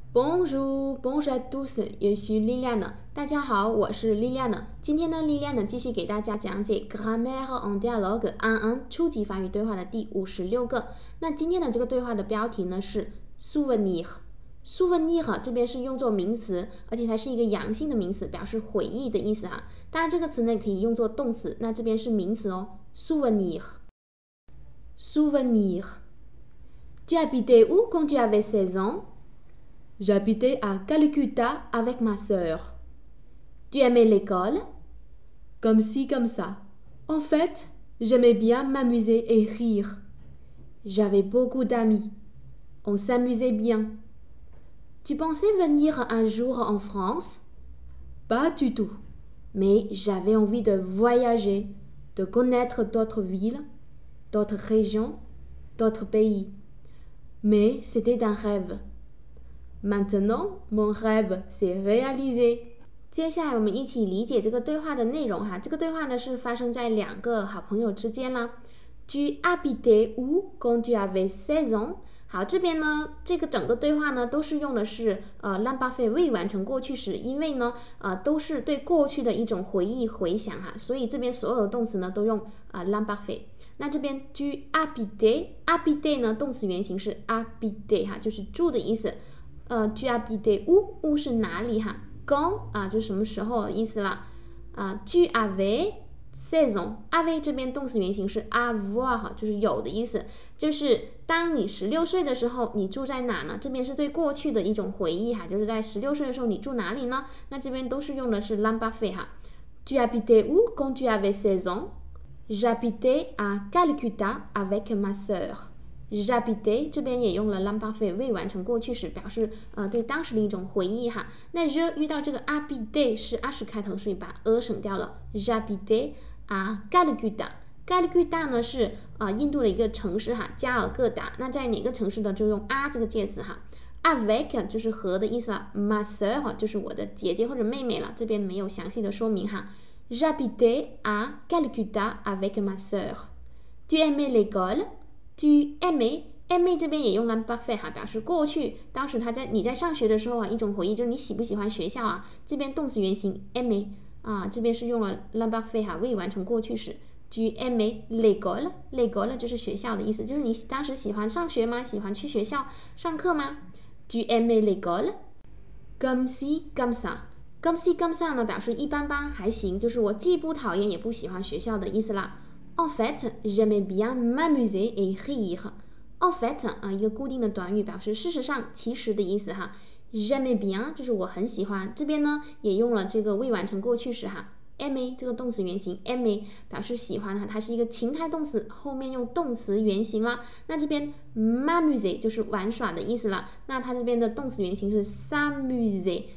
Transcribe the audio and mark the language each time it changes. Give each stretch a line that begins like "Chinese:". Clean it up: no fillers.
French: Bonjour, bonjour à tous, je suis Liliane.
Chinese: 大家好，我是 Liliane。今天呢 ，Liliane 继续给大家讲解
French: Grammaire en dialogue
Chinese: 初级法语对话的第56个。那今天的这个对话的标题呢是 souvenir。souvenir 这边是用作名词，而且它是一个阳性的名词，表示回忆的意思啊。当然这个词呢可以用作动词，那这边是名词哦 ，souvenir。
French: souvenir。 Tu habitais où quand tu avais 16 ans？ J'habitais à Calcutta avec ma sœur. Tu aimais l'école? Comme ci, comme ça. En fait, j'aimais bien m'amuser et rire. J'avais beaucoup d'amis. On s'amusait bien. Tu pensais venir un jour en France? Pas du tout. Mais j'avais envie de voyager, de connaître d'autres villes, d'autres régions, d'autres pays. Mais c'était un rêve. Maintenant, mon rêve s'est réalisé.
Chinese: 接下来我们一起理解这个对话的内容哈。这个对话呢是发生在两个好朋友之间啦。
French: Tu habitais où quand tu avais 16 ans?
Chinese: 好，这边呢，这个整个对话呢都是用的是l'imparfait未完成过去时，因为呢都是对过去的一种回忆回想哈，所以这边所有的动词呢都用l'imparfait。那这边
French: tu habitais,
Chinese: habitais 呢动词原形是 habiter 哈，就是住的意思。
French: tu habitais où?
Chinese: Où 是哪里哈 ？Quand 啊，就什么时候的意思了？
French: tu avais 16 ans.
Chinese: Avais 这边动词原形是 avoir， 就是有的意思。就是当你16岁的时候，你住在哪呢？这边是对过去的一种回忆哈，就是在16岁的时候你住哪里呢？那这边都是用的是 l'imparfait 哈。
French: Tu habitais où quand tu avais 16 ans? J'habitais à Calcutta avec ma sœur. J'habitais
Chinese: 这边也用了 l'imparfait 未完成过去时，表示对当时的一种回忆哈。那 je 遇到这个 habitais 是 h 开头，所以把 e 省掉了。
French: J'habitais à Calcutta。
Chinese: Calcutta 呢是印度的一个城市哈，加尔各答。那在哪个城市的就用 a 这个介词哈。Avec 就是和的意思了 ，
French: ma sœur
Chinese: 就是我的姐姐或者妹妹了。这边没有详细的说明哈。
French: J'habitais à Calcutta avec ma sœur。 Tu aimais l'école？ Tu aimais
Chinese: 这边也用 l'imparfait 哈，表示过去，当时你在上学的时候啊，一种回忆就是你喜不喜欢学校啊。这边动词原形 aimais 啊，这边是用了 l'imparfait 哈，未完成过去时。
French: Tu aimais l'école
Chinese: 就是学校的意思，就是你当时喜欢上学吗？喜欢去学校上课吗 ？
French: Tu aimais l'école? Comme si, comme ça. Comme si, comme ça
Chinese: 呢，表示一般般，还行，就是我既不讨厌也不喜欢学校的意思啦。
French: En fait, j'aimais bien m'amuser et rire. En fait,
Chinese: 一个固定的短语表示事实上、其实的意思哈。
French: J'aimais bien
Chinese: 就是我很喜欢。这边呢也用了这个未完成过去时哈。 Aimais 这个动词原形 aimais 表示喜欢哈，它是一个情态动词，后面用动词原形啦。那这边 m'amuser 就是玩耍的意思了。那它这边的动词原形是 s'amuser。